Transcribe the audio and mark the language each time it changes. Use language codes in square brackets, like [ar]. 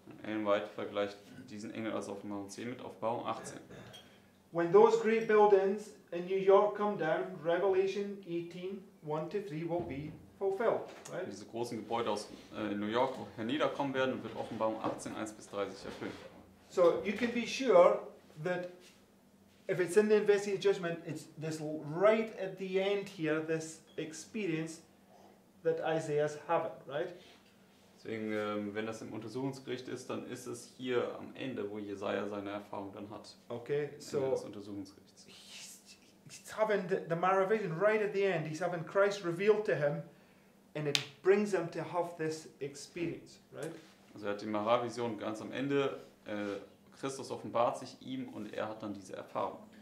[de] Ellen White vergleicht diesen Engel aus Offenbarung 10 mit Offenbarung 18. [en] When those great buildings in New York come down, Revelation 18, 1-3 will be fulfilled. Right? [de] Diese großen Gebäude aus New York herniederkommen werden und wird Offenbarung 18, 1-3 sich erfüllen. [en] So you can be sure that if it's in the investigative judgment, it's this right at the end here, this experience that Isaiah's having, right? [de] Deswegen, wenn das im Untersuchungsgericht ist, dann ist es hier am Ende, wo Jesaja seine Erfahrung dann hat. [en] Okay, so [de] Ende des Untersuchungsgerichts. [en] He's having the mirror vision right at the end. He's having Christ revealed to him and it brings him to have this experience, right? [de] Also er hat die mirror vision ganz am Ende. Christus offenbart sich ihm und er hat dann diese Erfahrung.